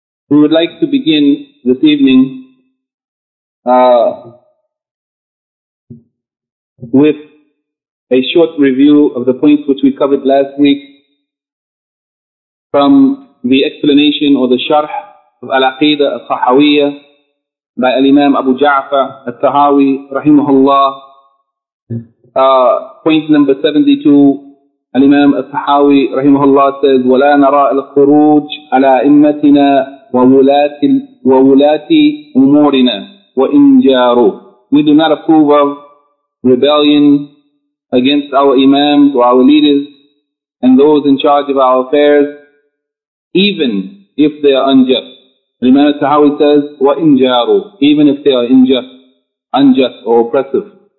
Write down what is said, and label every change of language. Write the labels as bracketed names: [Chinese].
[English] We would like to begin this evening with a short review of the points which we covered last week from the explanation or the sharh of Al-Aqidah Al-Sahawiyyah by Al-Imam Abu Ja'far Al-Tahawi rahimahullah, point number 72. [Arabic] الإمام الصحاوي رحمه الله [English] says [Arabic] ولا نرى الخروج على أمتنا وولاة أمورنا وإن جاروا. [English] We do not approve of rebellion against our imams or our leaders and those in charge of our affairs, even if they are unjust. [Arabic] الإمام الصحاوي [English] says [Arabic] وإن جاروا, [English] even if they are unjust or oppressive.